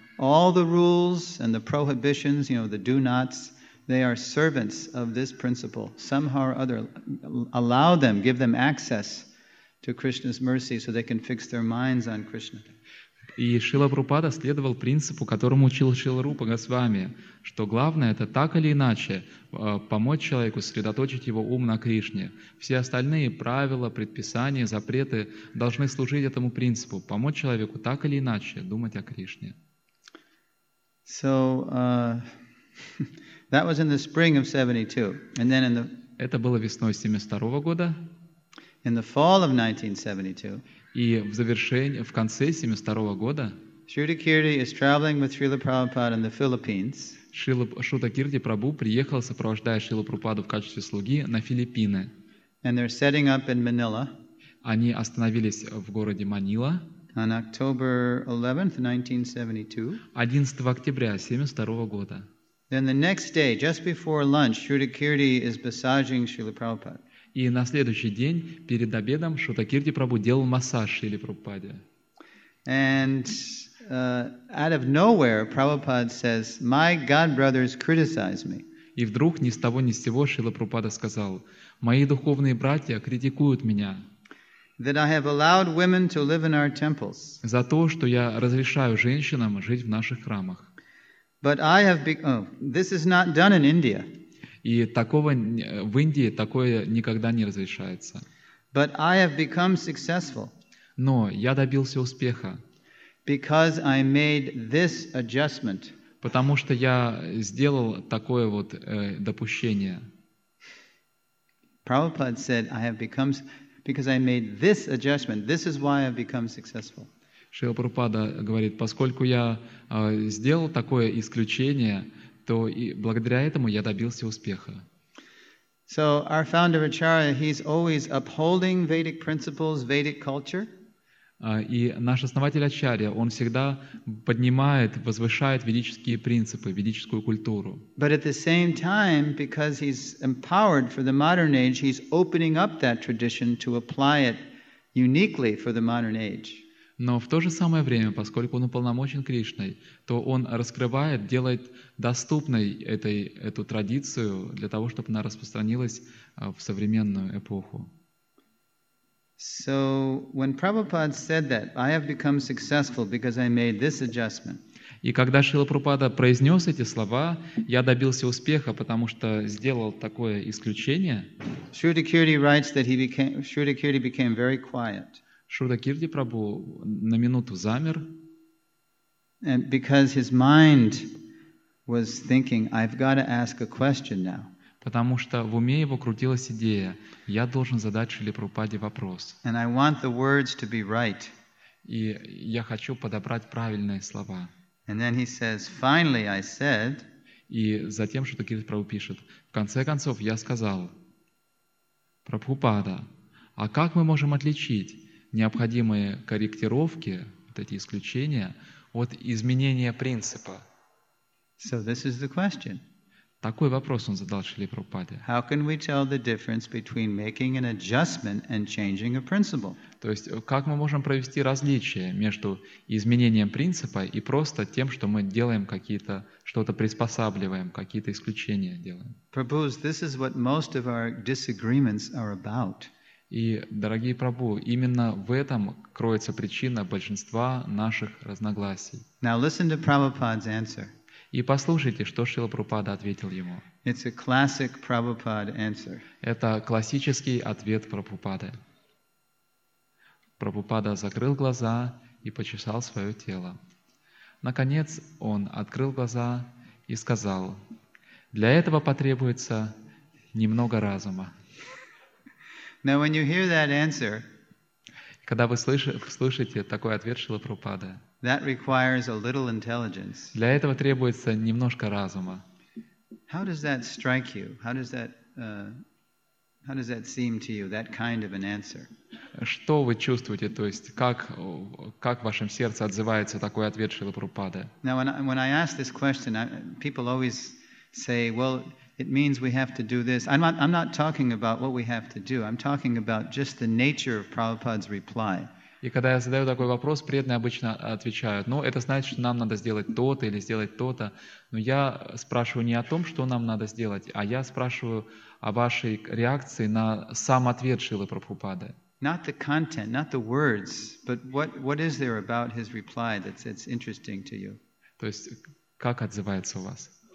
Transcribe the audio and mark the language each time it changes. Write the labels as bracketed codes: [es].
[en] All the rules and the prohibitions, you know, the do-nots, they are servants of this principle. Somehow or other, allow them, give them access to Krishna's mercy, so they can fix their minds on Krishna. [ru] И Шрила Прабхупада следовал принципу, которому учил Шрила Рупа Госвами, что главное это так или иначе помочь человеку сосредоточить его ум на Кришне. Все остальные правила, предписания, запреты должны служить этому принципу, помочь человеку так или иначе думать о Кришне. [en] So that was in the spring of 72. And then in the [ru] Это было весной 72 года. [en] In the fall of 1972. [ru] И в завершении в конце 72 года [en] Shruti Kirti is traveling with Srila Prabhupada in the Philippines. [ru] Шрута Кирти Прабху приехал, сопровождая Шрилу Прабхупаду в качестве слуги на Филиппины. [en] And they're setting up in Manila. [ru] Они остановились в городе Манила. [en] On October 11th, 1972. [ru] 11 октября 1972 года. [en] Then the next day, just before lunch, Shruti Kirti is massaging Srila Prabhupada. [ru] И на следующий день, перед обедом, Шрута Кирти Прабху делал массаж Шриле Прабхупаде. [en] And out of nowhere, Prabhupada says, "My godbrothers criticize me." [ru] И вдруг ни с того ни с сего Шрила Прабхупада сказал: "Мои духовные братья критикуют меня." [en] That I have allowed women to live in our temples. [ru] За то, что я разрешаю женщинам жить в наших храмах. [en] But I have this is not done in India. [ru] И такого в Индии такое никогда не разрешается. [en] But I have become successful. [ru] Но я добился успеха. [en] Because I made this adjustment. [ru] Потому что я сделал такое вот допущение. [en] Prabhupada said, "I have become because I made this adjustment. This is why I've become successful." [ru] Шрила Прабхупада говорит, поскольку я сделал такое исключение, то и благодаря этому я добился успеха. [en] So our founder Acharya, he's always upholding Vedic principles, Vedic culture. [ru] И наш основатель Ачарья, он всегда поднимает, возвышает ведические принципы, ведическую культуру. [en] But at the same time, because he's empowered for the modern age, he's opening up that tradition to apply it uniquely for the modern age. [ru] Но в то же самое время, поскольку он уполномочен Кришной, то он раскрывает, делает доступной эту традицию для того, чтобы она распространилась в современную эпоху. [en] So when Prabhupada said that, I have become successful because I made this adjustment. [ru] И когда Шрила Прабхупада произнес эти слова, я добился успеха, потому что сделал такое исключение. [en] Shruti Kirti writes that Shruti Kirti became very quiet. [ru] Шрута Кирти Прабху на минуту замер. [en] And because his mind was thinking, I've got to ask a question now. [ru] Потому что в уме его крутилась идея, я должен задать Шриле Прабхупаде вопрос. [en] And I want the words to be right. [ru] И я хочу подобрать правильные слова. [en] And then he says, finally I said, [ru] и затем Шрута Кирти Прабху пишет, в конце концов я сказал, Прабхупада, а как мы можем отличить необходимые корректировки, вот эти исключения, от изменения принципа? [en] So this is the question. [ru] Такой вопрос он задал Шриле Прабхупаде. [en] How can we tell the difference between making an adjustment and changing a principle? [ru] То есть, как мы можем провести различие между изменением принципа и просто тем, что мы делаем какие-то, что-то приспосабливаем, какие-то исключения делаем? [en] Prabhu, this is what most of our disagreements are about. [ru] И, дорогие Прабху, именно в этом кроется причина большинства наших разногласий. [en] Now listen to Prabhupada's answer. [ru] И послушайте, что Шрила Прабхупада ответил ему. [en] It's a classic Prabhupada answer. [ru] Это классический ответ Прабхупады. Прабхупада закрыл глаза и почесал свое тело. Наконец он открыл глаза и сказал, «Для этого потребуется немного разума». [en] Now, when you hear that answer, [ru] когда вы слышите такой ответ Шрилы Прабхупады, [en] that requires a little intelligence. [ru] Для этого требуется немножко разума. [en] How does that strike you? How does that seem to you? That kind of an answer. [ru] Что вы чувствуете? То есть как в вашем сердце отзывается такой ответ Шрилы Прабхупады? [en] Now when I ask this question, people always say, "Well, it means we have to do this." I'm not talking about what we have to do. I'm talking about just the nature of Prabhupada's reply. [ru] И когда я задаю такой вопрос, преданные обычно отвечают, ну, это значит, что нам надо сделать то-то или сделать то-то. Но я спрашиваю не о том, что нам надо сделать, а я спрашиваю о вашей реакции на сам ответ Шрилы Прабхупады. [en] Not the content, not the words, but what is there about his reply that's interesting to you? [ru] То есть, как отзывается у вас?